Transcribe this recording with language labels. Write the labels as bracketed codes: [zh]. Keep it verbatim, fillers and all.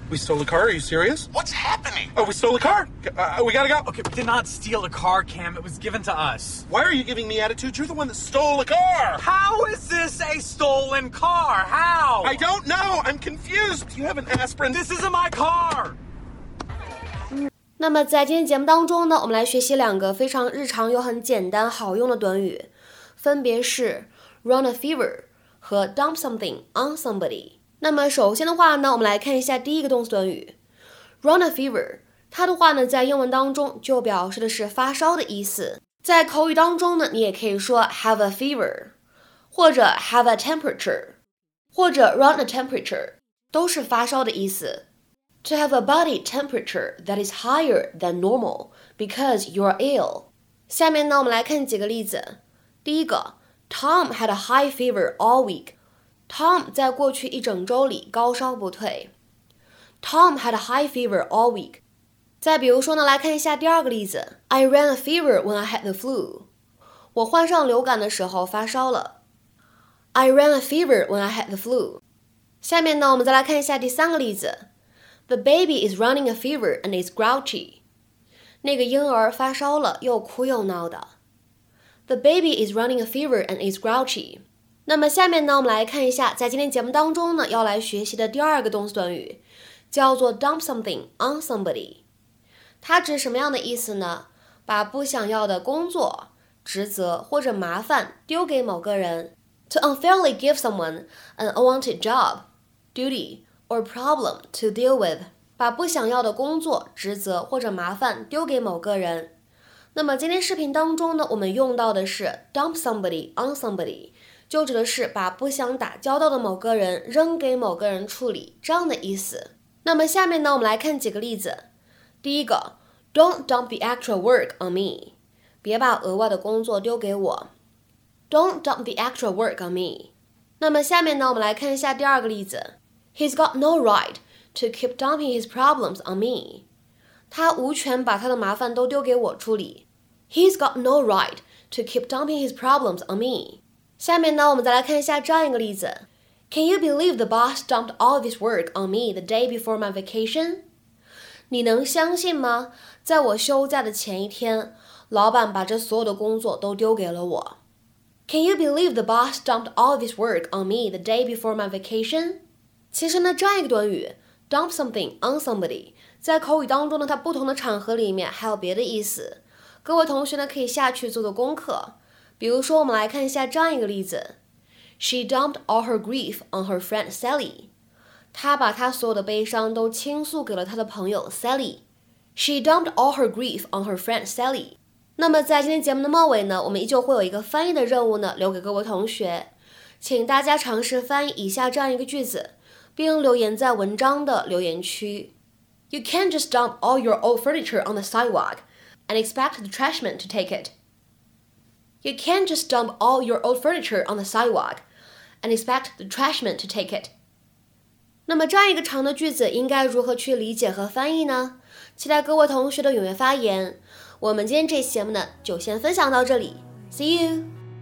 [en] We stole a car? Are you serious? What's happening? Oh, we stole a car. Uh, we gotta go. Okay, we did not steal a car, Cam. It was given to us. Why are you giving me attitude? You're the one that stole a car. How is this a stolen car? How? I don't know. I'm confused. You have an aspirin. This isn't my car. [zh] 那么在今天节目当中呢，我们来学习两个非常日常又很简单好用的短语，分别是 run a fever 和 dump something on somebody。那么首先的话呢，我们来看一下第一个动词短语 run a fever， 它的话呢在英文当中就表示的是发烧的意思。在口语当中呢，你也可以说 have a fever 或者 have a temperature 或者 run a temperature， 都是发烧的意思。 [en] To have a body temperature that is higher than normal because you're ill。 [zh] 下面呢我们来看几个例子。第一个 [en] Tom had a high fever all week。 [zh] Tom 在过去一整周里高烧不退。 [en] Tom had a high fever all week。 [zh] 再比如说呢，来看一下第二个例子。 [en] I ran a fever when I had the flu。 [zh] 我患上流感的时候发烧了。 [en] I ran a fever when I had the flu。 [zh] 下面呢我们再来看一下第三个例子。 [en] The baby is running a fever and is grouchy。 [zh] 那个婴儿发烧了，又哭又闹的。 [en] The baby is running a fever and is grouchy。 [zh] 那么下面呢，我们来看一下在今天节目当中呢，要来学习的第二个动词短语，叫做 dump something on somebody。它指什么样的意思呢？把不想要的工作、职责或者麻烦丢给某个人。 [en] To unfairly give someone an unwanted job, duty,or problem to deal with， [zh] 把不想要的工作、职责或者麻烦丢给某个人。那么今天视频当中呢，我们用到的是 dump somebody on somebody， 就指的是把不想打交道的某个人扔给某个人处理，这样的意思。那么下面呢，我们来看几个例子。第一个 [en] Don't dump the extra work on me， [zh] 别把额外的工作丢给我。 [en] Don't dump the extra work on me。 [zh] 那么下面呢，我们来看一下第二个例子。 [en] He's got no right to keep dumping his problems on me。 [zh] 他无权把他的麻烦都丢给我处理。 [en] He's got no right to keep dumping his problems on me。 [zh] 下面呢，我们再来看一下这样一个例子。 [en] Can you believe the boss dumped all of his work on me the day before my vacation？ [zh] 你能相信吗？在我休假的前一天，老板把这所有的工作都丢给了我。 [en] Can you believe the boss dumped all of his work on me the day before my vacation？ [zh] 其实呢，这样一个短语 dump something on somebody 在口语当中呢，它不同的场合里面还有别的意思。各位同学呢，可以下去做做功课。比如说我们来看一下这样一个例子。 [en] She dumped all her grief on her friend Sally。 [zh] 她把她所有的悲伤都倾诉给了她的朋友 Sally。 [en] She dumped all her grief on her friend Sally。 [zh] 那么在今天节目的末尾呢，我们依旧会有一个翻译的任务呢，留给各位同学，请大家尝试翻译以下这样一个句子，并留言在文章的留言区。 [en] You can't just dump all your old furniture on the sidewalk and expect the trash man to take it. You can't just dump all your old furniture on the sidewalk and expect the trash man to take it. [zh] 那么这样一个长的句子应该如何去理解和翻译呢？期待各位同学的踊跃发言。我们今天这期节目呢，就先分享到这里。 [en] See you!